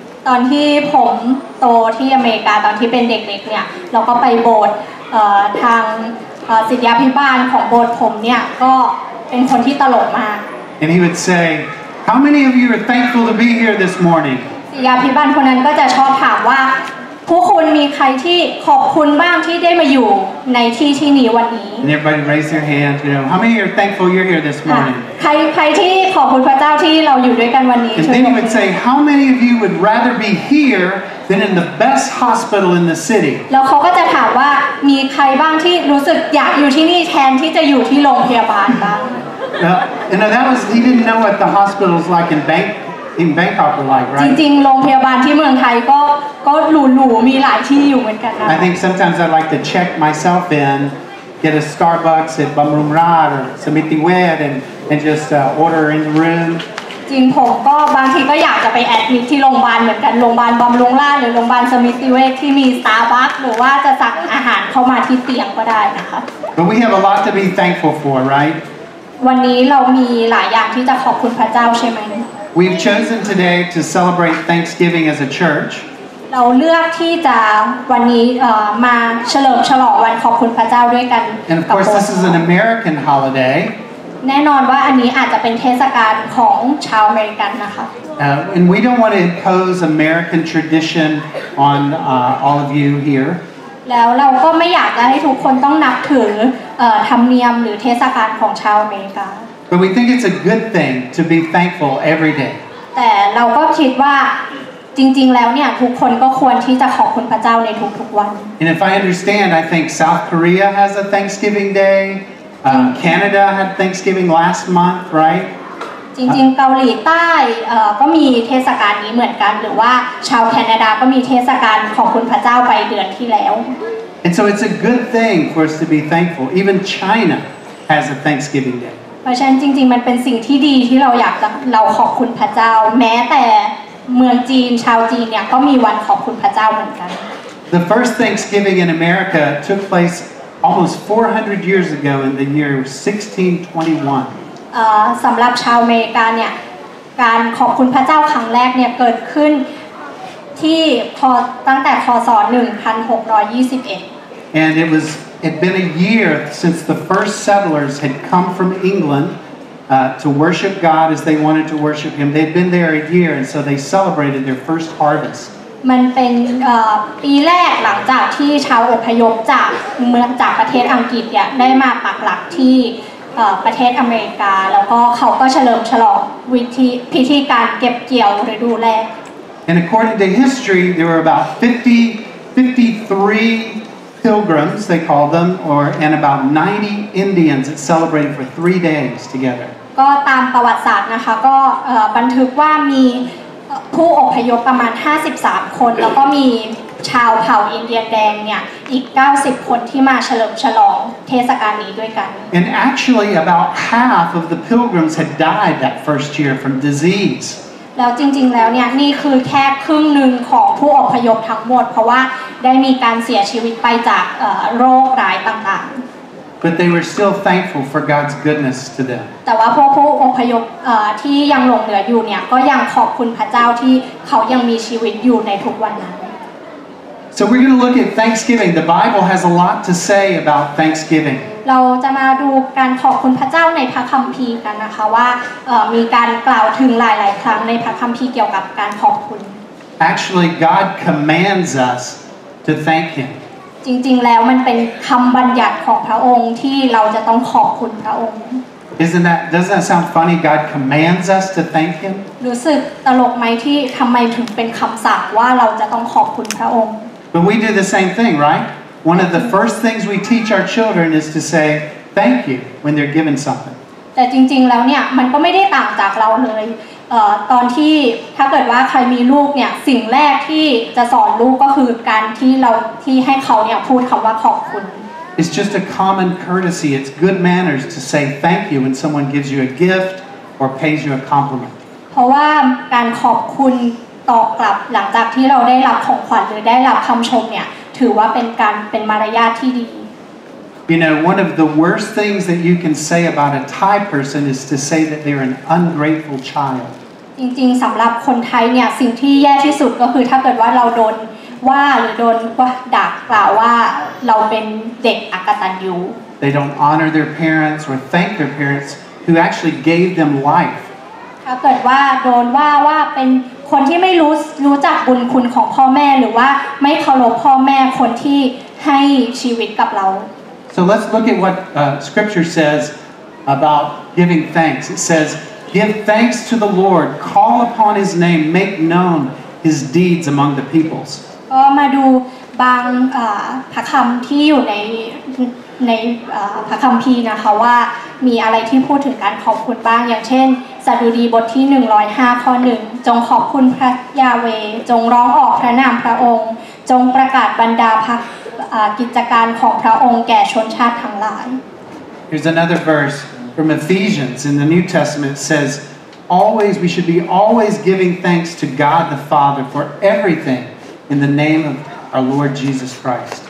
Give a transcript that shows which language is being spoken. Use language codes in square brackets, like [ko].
[th] ตอนที่ผมโตที่อเมริกาตอนที่เป็นเด็กๆเนี่ยเราก็ไปโบสถ์ทางศิษยาภิบาลของโบสถ์ผมเนี่ยก็เป็นคนที่ตลกมาก [en] And he would say, "How many of you are thankful to be here this morning?" [th] ศิษยาภิบาลคนนั้นก็จะชอบถามว่าผู้คนมีใครที่ขอบคุณบ้างที่ได้มาอยู่ในที่ที่นี้วันนี้ [en] Everybody raise your hand. You know, how many are thankful you're here this morning? [th] ใครที่ขอบคุณพระเจ้าที่เราอยู่ด้วยกันวันนี้ [en] And then he would say, how many of you would rather be here than in the best hospital in the city? [th] แล้วเขาก็จะถามว่ามีใครบ้างที่รู้สึกอยากอยู่ที่นี่แทนที่จะอยู่ที่โรงพยาบาลบ้าง [en] And that was he didn't know what the hospitals like in Bangkok were like, right? [th] จริงๆโรงพยาบาลที่เมืองไทยก็หรูๆมีหลายที่อยู่เหมือนกันนะ [en] I think sometimes I like to check myself in, get a Starbucks at Bumrum Rat or Samiti Wet and just order in the room. [th] จริงผมก็บางทีก็อยากจะไปแอดมิทที่โรงพยาบาลเหมือนกันโรงพยาบาลบัมรุงราชหรือโรงพยาบาลสมิติเวชที่มี Starbucks หรือว่าจะสั่งอาหารเข้ามาที่เตียงก็ได้นะคะ [en] But we have a lot to be thankful for, right? [th] วันนี้เรามีหลายอย่างที่จะขอบคุณพระเจ้าใช่ไหม [en] We've chosen today to celebrate Thanksgiving as a church. [th] เราเลือกที่จะวันนี้มาเฉลิมฉลองวันขอบคุณพระเจ้าด้วยกัน [en] And of course, this is an American holiday. [th] แน่นอนว่าอันนี้อาจจะเป็นเทศกาลของชาวอเมริกันนะคะ [en] And we don't want to impose American tradition on all of you here. [th] แล้วเราก็ไม่อยากจะให้ทุกคนต้องนับถือธรรมเนียมหรือเทศกาลของชาวอเมริกัน [en] But we think it's a good thing to be thankful every day. [th] แต่เราก็คิดว่าจริงๆแล้วเนี่ยทุกคนก็ควรที่จะขอบคุณพระเจ้าในทุกๆวัน [en] And if I understand, I think South Korea has a Thanksgiving Day. Canada had Thanksgiving last month, right? [th] จริงๆเกาหลีใต้ก็มีเทศกาลนี้เหมือนกันหรือว่าชาวแคนาดาก็มีเทศกาลขอบคุณพระเจ้าไปเดือนที่แล้ว [en] And so it's a good thing for us to be thankful. Even China has a Thanksgiving Day. [th] เพราะฉะนั้นจริงๆมันเป็นสิ่งที่ดีที่เราอยากเราขอบคุณพระเจ้าแม้แต่เมืองจีนชาวจีนเนี่ยก็มีวันขอบคุณพระเจ้าเหมือนกัน [en] The first Thanksgiving in America took place almost 400 years ago in the year 1621 [th] สำหรับชาวอเมริกันเนี่ยการขอบคุณพระเจ้าครั้งแรกเนี่ยเกิดขึ้นที่พอตั้งแต่พ.ศ. 1621 [en] And it wasIt had been a year since the first settlers had come from England to worship God as they wanted to worship Him. They had been there a year, and so they celebrated their first harvest. [th] มันเป็นปีแรกหลังจากที่ชาวอพยพจากเมืองจากประเทศอังกฤษเนี่ยได้มาปักหลักที่ประเทศอเมริกาแล้วก็เขาก็เฉลิมฉลองวิธีพิธีการเก็บเกี่ยวฤดูแล้ง [en] And according to history there were about 53 pilgrims they called them or and about 90 Indians that celebrated for 3 days together [th] ก็ตามประวัติศาสตร์นะคะก็บันทึกว่ามีผู้อพยพประมาณ53คนแล้วก็มีชาวเผ่าอินเดียนแดงเนี่ยอีก90คนที่มาเฉลิมฉลองเทศกาลนี้ด้วยกัน [en] And actually about half of the pilgrims had died that first year from disease [th] แล้วจริงๆแล้วเนี่ยนี่คือแค่ครึ่งนึงของผู้อพยพทั้งหมดเพราะว่าได้มีการเสียชีวิตไปจากโรคร้ายต่างๆ [en] But they were still thankful for God's goodness to them. [th] แต่ว่าผู้อพยพที่ยังหลงเหลืออยู่เนี่ยก็ยังขอบคุณพระเจ้าที่เขายังมีชีวิตอยู่ในทุกวันนั้น [en] So we're going to look at Thanksgiving. The Bible has a lot to say about Thanksgiving. [th] เราจะมาดูการขอบคุณพระเจ้าในพระคัมภีร์กันนะคะว่ามีการกล่าวถึงหลายๆครั้งในพระคัมภีร์เกี่ยวกับการขอบคุณ [en] Actually, God commands us to thank Him. [th] จริงๆแล้วมันเป็นคำบัญญัติของพระองค์ที่เราจะต้องขอบคุณพระองค์ [en] doesn't that sound funny God commands us to thank Him [th] รู้สึกตลกไหมที่ทำไมถึงเป็นคำสั่งว่าเราจะต้องขอบคุณพระองค์ [en] But we do the same thing right One of the first things we teach our children is to say thank you when they're given something [th] แต่จริงๆแล้วเนี่ยมันก็ไม่ได้ต่างจากเราเลยตอนที่ถ้าเกิดว่าใครมีลูกเนี่ยสิ่งแรกที่จะสอนลูกก็คือการที่เราที่ให้เขาเนี่ยพูดคำว่าขอบคุณ [en] It's just a common courtesy. It's good manners to say thank you when someone gives you a gift or pays you a compliment. [th] เพราะว่าการขอบคุณตอบกลับหลังจากที่เราได้รับของขวัญหรือได้รับคำชมเนี่ยถือว่าเป็นการเป็นมารยาทที่ดี [en] You know, one of the worst things that you can say about a Thai person is to say that they're an ungrateful child. [th] จริงๆสำหรับคนไทยเนี่ยสิ่งที่แย่ที่สุดก็คือถ้าเกิดว่าเราโดนว่าหรือโดนว่าด่ากล่าวว่าเราเป็นเด็กอกตัญญู [en] They don't honor their parents or thank their parents who actually gave them life [th] ถ้าเกิดว่าโดนว่าว่าเป็นคนที่ไม่รู้จักบุญคุณของพ่อแม่หรือว่าไม่เคารพพ่อแม่คนที่ให้ชีวิตกับเรา [en] So let's look at what scripture says about giving thanks it saysGive thanks to the Lord. Call upon His name. Make known His deeds among the peoples. [th] ก็มาดูบางพระคำที่อยู่ในพระคัมภีร์นะคะว่ามีอะไรที่พูดถึงการขอบคุณบ้างอย่างเช่นสดุดีบทที่105ข้อ1จงขอบคุณพระยาเวจงร้องออกพระนามพระองค์จงประกาศบรรดาพระกิจการของพระองค์แก่ชนชาติทั้งหลาย [en] Here's another verse. From Ephesians in the New Testament says, "Always we should be always giving thanks to God the Father for everything in the name of our Lord Jesus Christ."